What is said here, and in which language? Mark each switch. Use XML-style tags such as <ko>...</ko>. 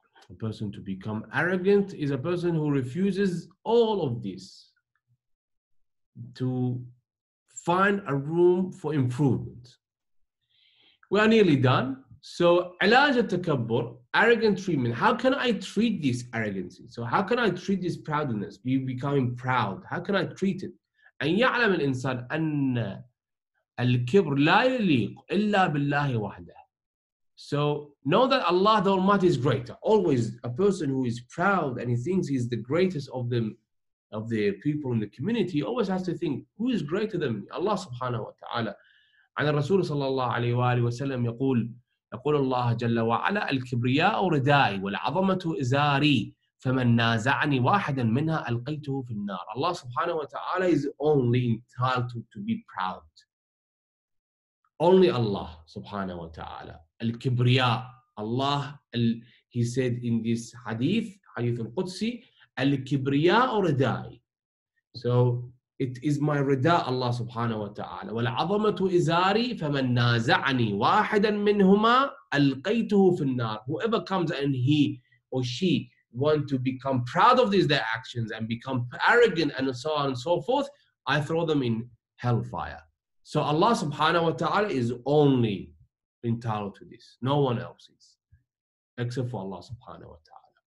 <en>A person to become arrogant is a person who refuses all of this, to find a room for improvement. We are nearly done. So, ilaj al-takabbur, arrogant treatment. How can I treat this arrogancy? So how can I treat this proudness, becoming proud? How can I treat it?</en> <ar>أن يعلم الإنسان أن الكبر لا يليق إلا بالله وحده.</ar> <en>So know that Allah the Almighty is greater. Always a person who is proud and he thinks he's the greatest of them, of the people in the community, he always has to think, who is greater than me?</en> <ar>Allah subhanahu wa ta'ala.</ar> <en>And</en> <ar>Rasul sallallahu alayhi wa alayhi wa sallam yaqul Allah jalla wa ala al-kibriya ridai wal-azamatu izari فمن نازعني واحدا منها ألقيته في النار.</ar> <en>Allah subhanahu wa ta'ala is only entitled to be proud. Only Allah subhanahu wa ta'ala. الكبرياء. Allah, he said in this hadith, hadith al-Qudsi,</en> <ar>الكبرياء ردائي.</ar> <en>So it is my rida, Allah subhanahu wa ta'ala.</en> <ar>والعظمة إزاري فمن نازعني واحدا منهما ألقيته في النار.</ar> <en>Whoever comes and he or she want to become proud of these their actions and become arrogant and so on and so forth, I throw them in hellfire. So Allah subhanahu wa ta'ala is only entitled to this. No one else is, except for Allah subhanahu wa ta'ala.</en>